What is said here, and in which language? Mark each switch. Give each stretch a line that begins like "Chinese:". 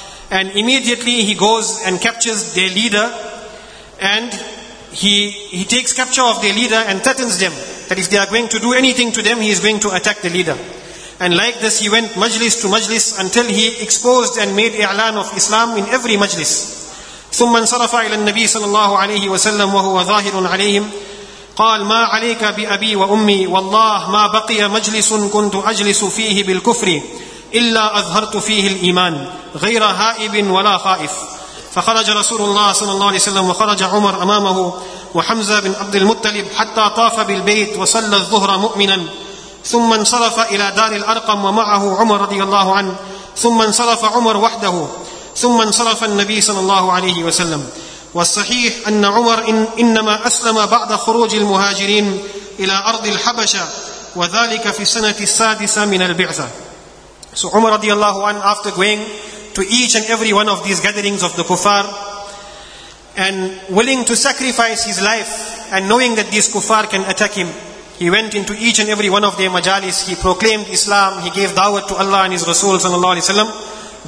English: And immediately he goes and captures their leader. And he takes capture of their leader and threatens them that if they are going to do anything to them, he is going to attack the leader. And like this, he went majlis to majlis until he exposed and made i'lan of Islam in every majlis.
Arabic: ثم انصرف إلى النبي صلى الله عليه وسلم وهو ظاهر عليهم قال ما عليك بأبي وأمي والله ما بقي مجلس كنت أجلس فيه بالكفر إلا أظهرت فيه الإيمان غير هائب ولا خائف. فخرج رسول الله صلى الله عليه وسلم وخرج عمر أمامه وحمزة بن عبد المطلب حتى طاف بالبيت وصلى الظهر مؤمنا ثم انصرف إلى دار الأرقم ومعه عمر رضي الله عنه ثم انصرف عمر وحده ثم انصرف النبي صلى الله عليه وسلم. والصحيح أن عمر إنما أسلم بعد خروج المهاجرين إلى أرض الحبشة وذلك في السنة السادسة من البعثة.
English: So عمر رضي الله عنه, after going to each and every one of these gatherings of the kuffar and willing to sacrifice his life and knowing that these kuffar can attack him, he went into each and every one of their majalis, he proclaimed Islam, he gave dawah to Allah and his Rasul sallallahu alayhi wa sallam.